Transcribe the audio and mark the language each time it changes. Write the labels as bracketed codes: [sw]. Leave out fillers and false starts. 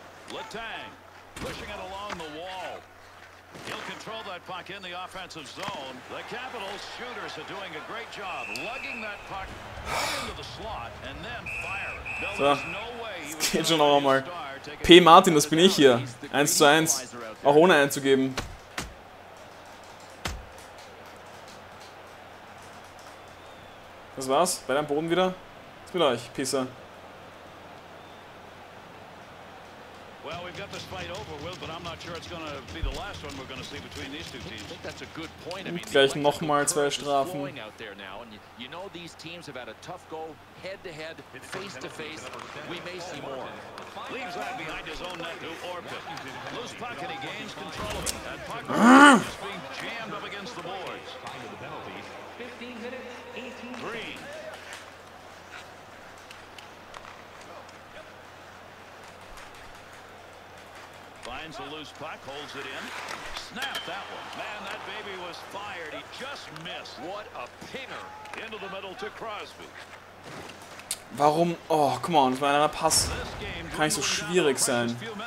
[en] Letang pushing it along the wall. He'll control that puck in the offensive zone. The Capitals shooters are doing a great job lugging that puck into the slot and then fire. [de] So, jetzt geht schon noch einmal. P. Martin, das bin ich hier. 1:1. Auch ohne einzugeben. Das war's. Bei deinem Boden wieder. Das bin ich, Pisser. [en] Well, we've got this fight over, Will, but I'm not sure it's gonna be the last one we're gonna see between these two teams. I think that's a good point. I mean, [de] gleich nochmal zwei Strafen. [en] You know, these teams have had a tough go head to head, face to face. We may see more. Leaves that behind his own net to Orpik. Loose puck and he gains control of it. And puck is being jammed up against the boards. 15 minutes, 18 minutes. Green. Finds a loose puck, holds it in. Snap that one. Man, that baby was fired. He just missed. What a pinner. Into the middle to Crosby. [de] Warum? [en] Oh, come on, [de] mein einer Pass kann nicht so schwierig sein.